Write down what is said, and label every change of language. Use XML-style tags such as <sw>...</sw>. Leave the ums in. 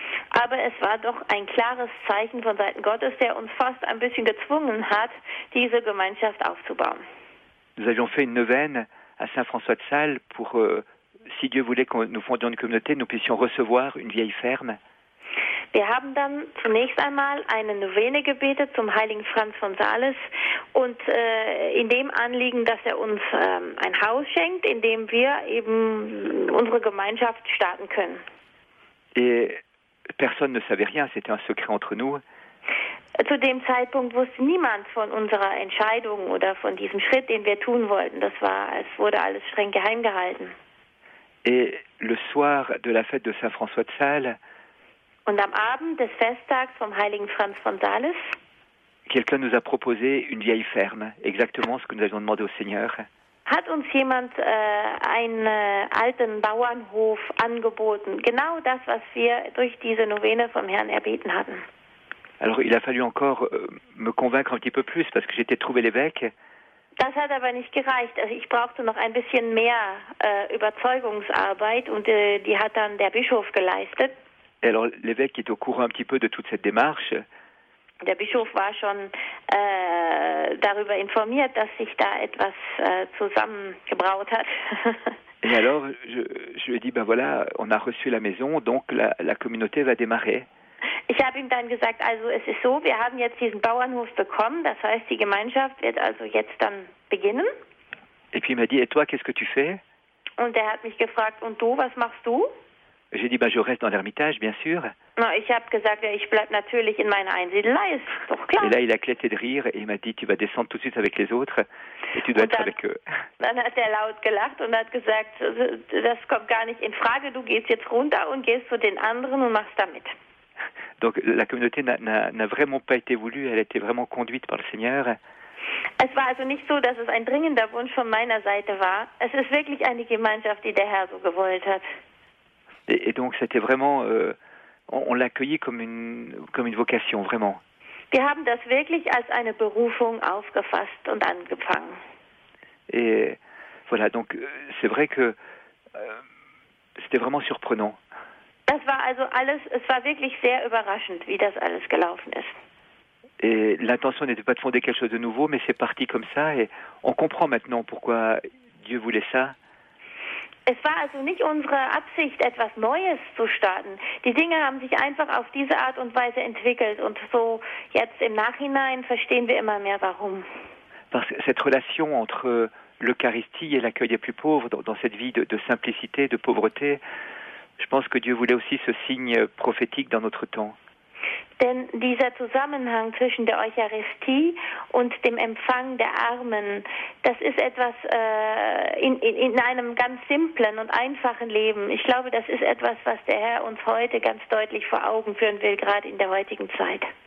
<de>Aber es war doch ein klares Zeichen von Seiten Gottes, der uns fast ein bisschen gezwungen hat, diese Gemeinschaft aufzubauen.</de> <fr>Nous avions fait une neuvaine à Saint-François de Sales pour, euh, si Dieu voulait que nous fondions une communauté, nous puissions recevoir une vieille ferme.</fr> <de>Wir haben dann zunächst einmal eine Novene gebetet zum heiligen Franz von Sales und äh, in dem Anliegen, dass er uns ähm, ein Haus schenkt, in dem wir eben unsere Gemeinschaft starten können.</de> <fr>Et personne ne savait rien, c'était un secret entre nous.</fr> <de>Zu dem Zeitpunkt wusste niemand von unserer Entscheidung oder von diesem Schritt, den wir tun wollten. Das war, es wurde alles streng geheim gehalten.</de> <fr>Et le soir de la fête de Saint François de Sales,</fr> <de>Und am Abend des Festtags vom heiligen Franz von Sales</de> <fr>quelqu'un nous a proposé une vieille ferme, exactement ce que nous avions demandé au Seigneur.</fr> <de>hat uns jemand äh, einen äh, alten Bauernhof angeboten. Genau das, was wir durch diese Novene vom Herrn erbeten hatten.</de> <fr>Alors il a fallu encore me convaincre un petit peu plus parce que j'étais trouvé l'évêque.</fr> <de>Das hat aber nicht gereicht. Also ich brauchte noch ein bisschen mehr äh, Überzeugungsarbeit und äh, die hat dann der Bischof geleistet.</de> <fr>Et alors l'évêque est au courant un petit peu de toute cette démarche.</fr> <de>Der Bischof war schon äh, darüber informiert, dass sich da etwas zusammengebraut hat.</de> <fr>Et alors je, je lui ai dit ben voilà, on a reçu la maison, donc la, la communauté va démarrer.</fr> <de>Ich habe ihm dann gesagt, also es ist so, wir haben jetzt diesen Bauernhof bekommen, das heißt, die Gemeinschaft wird also jetzt dann beginnen.</de> <fr>Et puis il m'a dit, et toi, qu'est-ce que tu fais</fr> <de>Und er hat mich gefragt, und du, was machst du?</de> <fr>J'ai dit, bah, je reste dans l'ermitage, bien sûr.</fr> <de>Na, ich habe gesagt, ich bleibe natürlich in meiner Einsiedelei, ist doch klar.</de> <fr>Et là, il a éclaté de rire et il m'a dit, tu vas descendre tout de suite avec les autres et tu dois</fr> <de>Und</de> <fr>être</fr> <de>dann-</de> <fr>avec eux.</fr> <de>Dann hat er laut gelacht und hat gesagt, das kommt gar nicht in Frage, du gehst jetzt runter und gehst zu den anderen und machst da mit.</de> <fr>Donc la communauté n'a- n'a n'a vraiment pas été voulue, elle a été vraiment conduite par le Seigneur.</fr> <de>Es war also nicht so, dass es ein dringender Wunsch von meiner Seite war. Es ist wirklich eine Gemeinschaft, die der Herr so gewollt hat.</de> <fr>Et, et donc c'était vraiment, euh, on, on l'a accueilli comme une, comme une vocation, vraiment.</fr> <de>Wir haben das wirklich als eine Berufung aufgefasst und angefangen.</de> <fr>Et voilà, donc euh, c'est vrai que euh, c'était vraiment surprenant.</fr> <de>Das war also alles, es war wirklich sehr überraschend, wie das alles gelaufen ist.</de> <fr>Et l'intention n'était pas de fonder quelque chose de nouveau, mais c'est parti comme ça et on comprend maintenant pourquoi Dieu voulait ça.</fr> <de>Es war also nicht unsere Absicht, etwas Neues zu starten. Die Dinge haben sich einfach auf diese Art und Weise entwickelt und so jetzt im Nachhinein verstehen wir immer mehr warum.</de> <fr>Parce que cette relation entre euh, l'Eucharistie et l'accueil des plus pauvres dans, dans cette vie de, de simplicité, de pauvreté, je pense que Dieu voulait aussi ce signe euh, prophétique dans notre temps.</fr> <de>Denn dieser Zusammenhang zwischen der Eucharistie und dem Empfang der Armen, das ist etwas äh, in, in, in einem ganz simplen und einfachen Leben. Ich glaube, das ist etwas, was der Herr uns heute ganz deutlich vor Augen führen will, gerade in der heutigen Zeit.</de>